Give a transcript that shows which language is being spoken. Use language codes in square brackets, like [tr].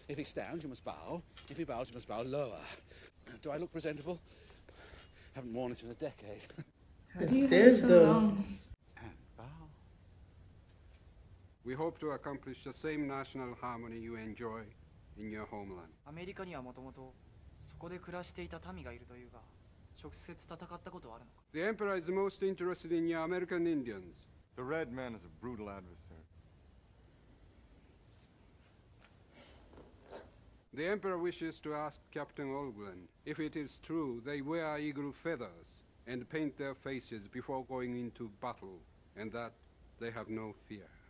[en] If he stands, you must bow. If he bows, you must bow lower. Do I look presentable? I haven't worn this in a decade. The stairs, though. And bow. We hope to accomplish the same national harmony you enjoy. In your homeland. [ja] America にはもともとそこで暮らしていた民がいるというが、直接戦ったことはあるのか? [en] The Emperor is most interested in your American Indians. The Red Man is a brutal adversary. The Emperor wishes to ask Captain Olgren if it is true they wear eagle feathers and paint their faces before going into battle, and that they have no fear.